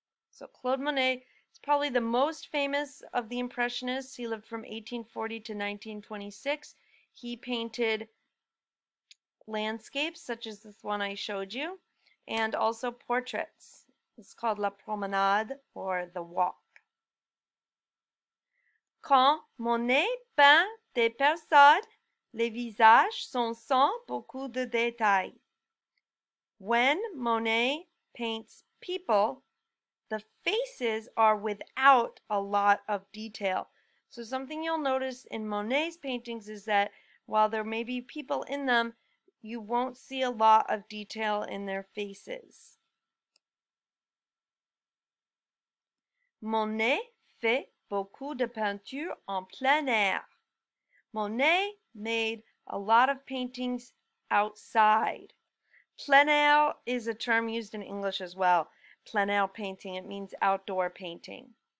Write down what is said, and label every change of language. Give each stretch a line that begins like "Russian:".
English: So Claude Monet is probably the most famous of the Impressionists. He lived from 1840 to 1926. He painted landscapes such as this one I showed you, and also portraits. It's called La Promenade or The Walk.
French: Quand Monet peint des personnes, les visages sont sans beaucoup de détails.
English: When Monet paints people, the faces are without a lot of detail. So something you'll notice in Monet's paintings is that while there may be people in them, You won't see a lot of detail in their faces.
French: Monet fait beaucoup de peinture en plein air.
English: Monet made a lot of paintings outside. Plein air is a term used in English as well. Plein air painting, it means outdoor painting.